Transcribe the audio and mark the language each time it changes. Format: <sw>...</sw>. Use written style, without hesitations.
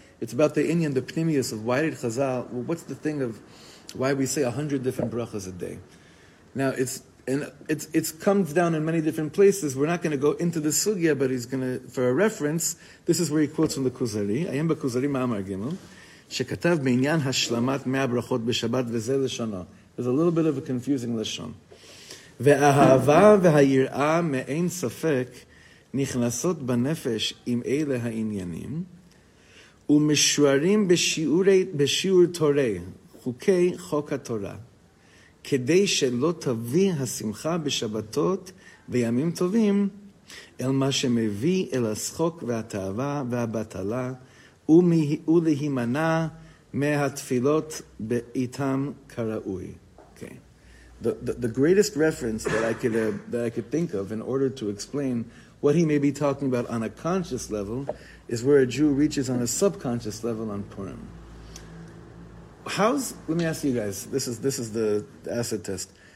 <en>It's about the Inyan, the pnimius of why did Chazal? Well, what's the thing of why we say 100 different brachas a day? Now it's comes down in many different places. We're not going to go into the sugya, but he's going to for a reference. This is where he quotes from the Kuzari. Ayem baKuzari Ma'amar Gimel.</en> <he>שכתב בעניין השלמת 100 ברכות בשבת וזה לשונו.</he> <en>There's a little bit of a confusing לשון.</en> <he>והאהבה והיראה מאין ספק נכנסות בנפש עם אלה העניינים ומשוערים בשיעור תורה, חוקי חוק התורה, כדי שלא תביא השמחה בשבתות וימים טובים אל מה שמביא אל השחוק והתאווה והבטלה ולהימנה מהתפילות באיתם כראוי.</he> <en>Okay. The greatest reference that I could think of in order to explain what he may be talking about on a conscious level is where a Jew reaches on a subconscious level on Purim. Let me ask you guys, this is the acid test.</en>